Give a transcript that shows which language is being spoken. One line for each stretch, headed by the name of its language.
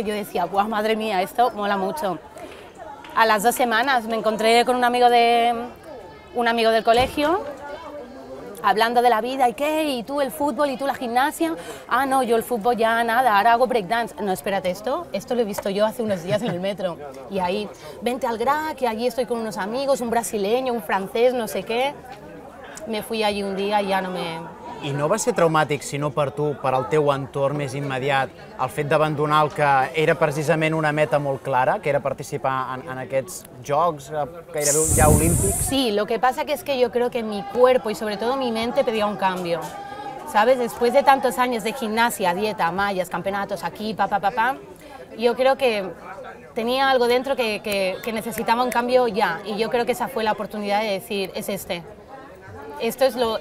Spanish: Y yo decía, ¡guau, madre mía, esto mola mucho! A las 2 semanas me encontré con un amigo del colegio, hablando de la vida, ¿y qué? ¿Y tú el fútbol? ¿Y tú la gimnasia? Ah, no, yo el fútbol ya nada, ahora hago breakdance. No, espérate, esto lo he visto yo hace unos días en el metro. Y ahí, vente al Gra, que allí estoy con unos amigos, un brasileño, un francés, no sé qué. Me fui allí un día y ya no me...
Catalan: ¿Y no va ser traumàtic, sinó per tu, per al teu entorn més immediat, el fet d'abandonar el que era precisament una meta molt clara, que era participar en aquests jocs, gairebé ja olímpics?
Spanish: Sí, lo que pasa que es que yo creo que mi cuerpo y sobre todo mi mente pedía un cambio. ¿Sabes? Después de tantos años de gimnasia, dieta, mallas, campeonatos, aquí, pa, pa, pa, pa, yo creo que tenía algo dentro que necesitaba un cambio ya. Y yo creo que esa fue la oportunidad de decir, es este. Esto es lo...